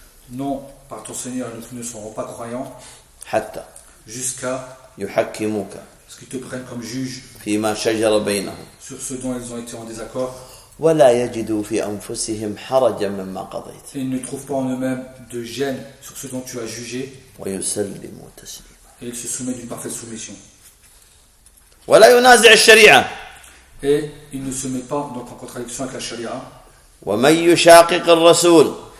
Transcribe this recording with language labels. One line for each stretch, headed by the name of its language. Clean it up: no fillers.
French: Non, par ton Seigneur, ils ne seront pas croyants. Jusqu'à.
Arabic: يحكموكَ.
French: Ce qu'ils te prennent comme juge
Arabic: فيما شجر بينهم
French: sur ce dont ils ont été en désaccord
Arabic: ولا يجدوا في أنفسهم حرجا مما قضيت
French: ils ne trouvent pas en eux-mêmes de gêne sur ce dont tu as jugé
Arabic: ويسلموا تسليما
French: et ils se soumettent d'une parfaite soumission
Arabic: ولا ينازع الشريعة
French: et ils ne se mettent pas donc en contradiction avec la charia
Arabic: ومن يشاقق الرسول